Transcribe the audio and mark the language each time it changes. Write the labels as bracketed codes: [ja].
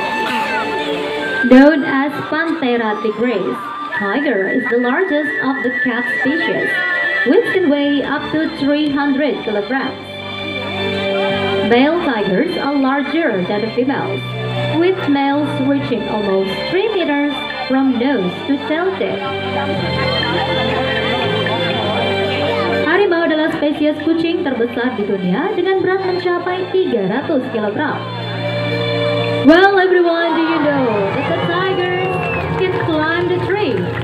[en] Known as Panthera tigris, tiger is the largest of the cat species, which can weigh up to 300 kilograms. Male tigers are larger than the females, with males reaching almost 3 meters from nose to tail tip. [id] Harimau adalah spesies kucing terbesar di dunia dengan berat mencapai 300 kilogram. [en] Well, everyone, do you know that the tiger can climb the tree?